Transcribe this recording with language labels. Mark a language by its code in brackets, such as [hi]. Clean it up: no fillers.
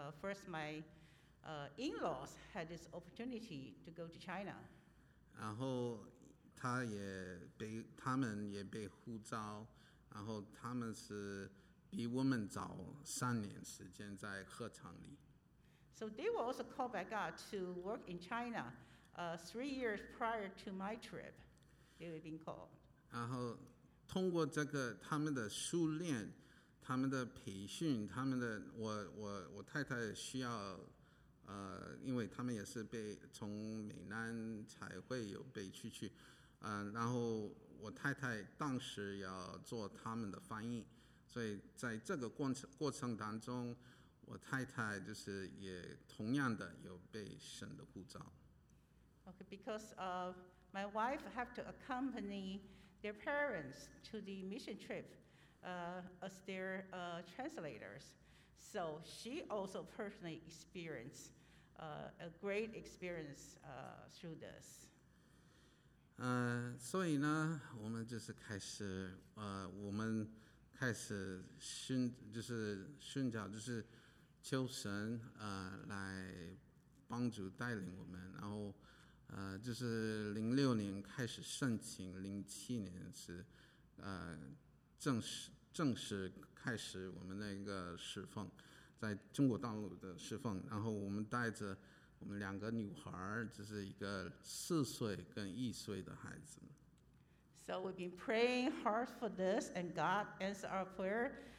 [en] First, my in-laws had this opportunity to go to China. [zh] 然后他们也被呼召，然后他们是比我们早3年时间在鹤厂里。 [en] So they were also called by God to work in China, 3 years prior to my trip, they were being called. [zh] 然后通过这个他们的训练、他们的培训、他们的我太太需要，因为他们也是被从美南才会有被去，然后我太太当时要做他们的翻译，所以在这个过程当中。我太太就是也同样的有被神的呼召。 [en] Okay, because my wife have to accompany their parents to the mission trip, as their translators. So she also personally experienced a great experience through this. [zh] 所以呢，我们就是开始，我们开始寻找就是。求神来帮助带领我们，然后就是2006年开始申请，2007年是正式开始我们那个侍奉，在中国大陆的侍奉，然后我们带着我们两个女孩，就是一个4岁跟1岁的孩子。 [en] So we've been praying hard for this, and God answered our prayer.